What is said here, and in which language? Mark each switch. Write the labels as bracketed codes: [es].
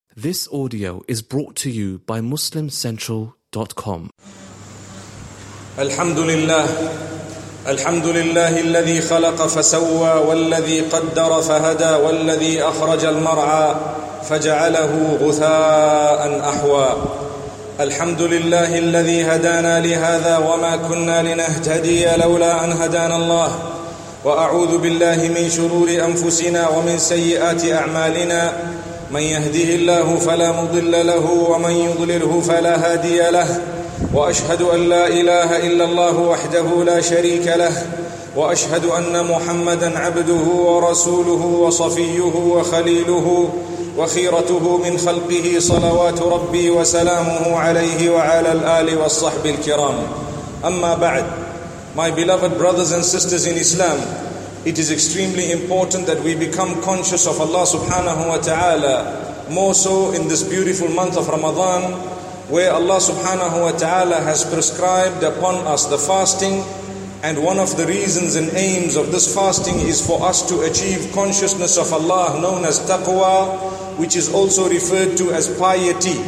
[en] This audio is brought to you by MuslimCentral.com. [ar] Alhamdulillah. Alhamdulillah, الذي خلق فسوى والذي قدر فهدى والذي أخرج المرعى فجعله غثاء أحوى. Alhamdulillah, الذي هدانا لهذا وما كنا لنهتدي لولا أن هدانا الله. وأعوذ بالله من شرور أنفسنا ومن سيئات أعمالنا. من يهده الله فلا مضل له ومن يضلله فلا هادي له. وأشهد أن لا إله إلا الله وحده لا شريك له. وأشهد أن محمدًا عبده ورسوله وصفيه وخليله وخيرته من خلقه صلوات ربي وسلامه عليه وعلى الآل والصحب الكرام. أما بعد, [en] my beloved brothers and sisters in Islam, it is extremely important that we become conscious of Allah subhanahu wa ta'ala, more so in this beautiful month of Ramadan, where Allah subhanahu wa ta'ala has prescribed upon us the fasting, and one of the reasons and aims of this fasting is for us to achieve consciousness of Allah, known as taqwa, which is also referred to as piety.